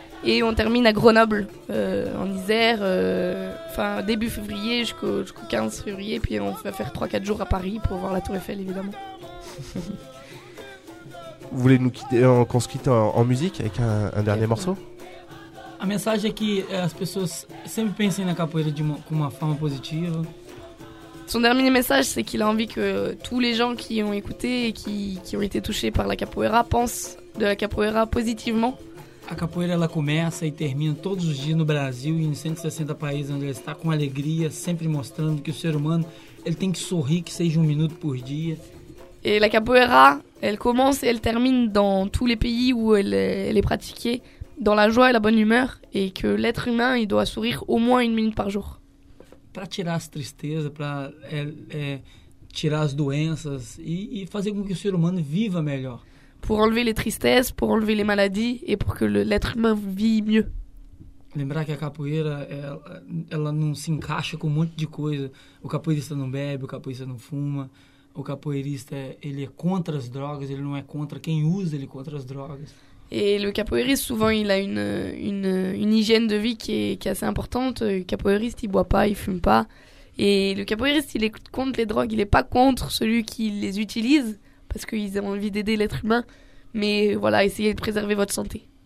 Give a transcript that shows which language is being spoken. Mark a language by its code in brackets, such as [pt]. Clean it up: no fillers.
[fr] Et on termine à Grenoble, en Isère, enfin début février jusqu'au 15 février. Puis on va faire 3-4 jours à Paris pour voir la Tour Eiffel, évidemment. Vous voulez nous quitter, qu'on se quitte en musique avec un dernier morceau? [pt] A mensagem é que as pessoas sempre pensem na capoeira de uma forma positiva. [fr] Son dernier message, c'est qu'il a envie que tous les gens qui ont écouté et qui ont été touchés par la capoeira pensent de la capoeira positivement. [pt] A capoeira, ela começa e termina todos os dias no Brasil e em 160 países onde ela está, com alegria, sempre mostrando que o ser humano ele tem que sorrir, que seja 1 minuto por dia. [fr] Et la capoeira, elle commence et elle termine dans tous les pays où elle est pratiquée, dans la joie et la bonne humeur, et que l'être humain, il doit sourire au moins 1 minute par jour. [pt] Para tirar as tristezas, para tirar as doenças e fazer com que o ser humano viva melhor. [fr] Pour enlever les tristesses, pour enlever les maladies et pour que l'être humain vive mieux. [pt] Lembrar que a capoeira, ela não se encaixa com um monte de coisa. O capoeirista não bebe, o capoeirista não fuma. O capoeirista, ele é contra as drogas, ele não é contra quem usa, ele é contra as drogas. [fr] Et le capoeiriste, souvent, il a une hygiène de vie qui est assez importante. Le capoeiriste, il ne boit pas, il ne fume pas. Et le capoeiriste, il est contre les drogues. Il n'est pas contre celui qui les utilise, parce qu'ils ont envie d'aider l'être humain. Mais voilà, essayez de préserver votre santé.